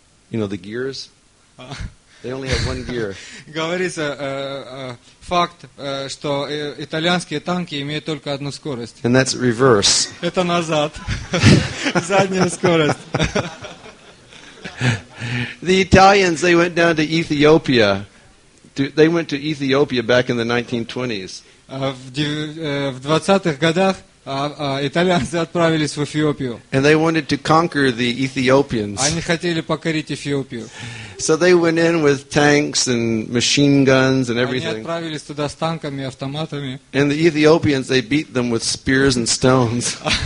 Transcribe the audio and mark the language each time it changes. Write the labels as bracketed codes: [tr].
[en] You know the gears? They only have one gear. [ru] Говорится факт, что итальянские танки имеют только одну скорость. [en] And that's reverse. [ru] Это назад. Задняя скорость. [en] The Italians, they went down to Ethiopia. They went to Ethiopia back in the 1920s. [ru] В 20-х годах итальянцы отправились в Эфиопию. [en] And they wanted to conquer the Ethiopians. [ru] Они хотели покорить Эфиопию. [en] So they went in with tanks and machine guns and everything. [ru] Они отправились туда с танками и автоматами. [en] And the Ethiopians, they beat them with spears and stones.